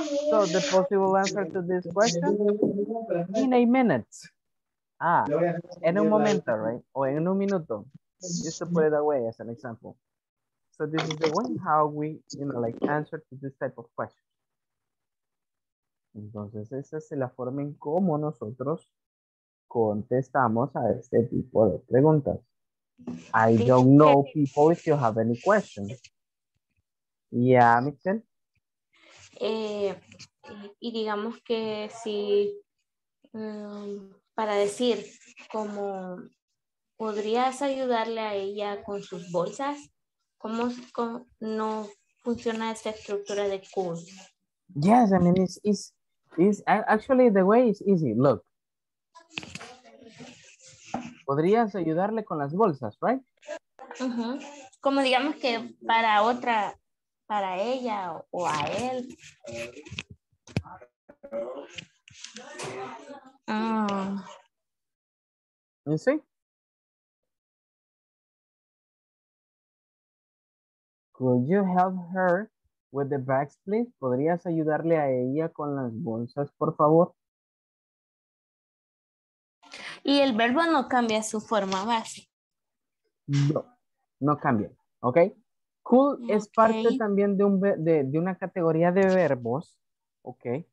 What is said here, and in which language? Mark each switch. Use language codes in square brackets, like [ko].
[en] So the possible answer to this question in a minute. [es] En un momento, [en] right? [es] O en un minuto. [en] Just to put it away as an example. So this is the way how we, you know, like answer to this type of question. [es] Entonces esa es la forma en cómo nosotros contestamos a este tipo de preguntas. [en] I don't know, people, if you have any questions. Yeah, Michelle. [es] Y digamos que si... para decir, como, ¿podrías ayudarle a ella con sus bolsas? ¿Cómo no funciona esa estructura de could? [en] Yes, I mean, it's actually the way is easy. Look. [es] ¿Podrías ayudarle con las bolsas, right? Uh-huh. Como digamos que para otra, para ella o a él. [en] You see? Could you help her with the bags, please? [es] ¿Podrías ayudarle a ella con las bolsas, por favor? Y el verbo no cambia su forma base. No, no cambia. Ok. Cool, okay. Es parte también de una categoría de verbos. Ok.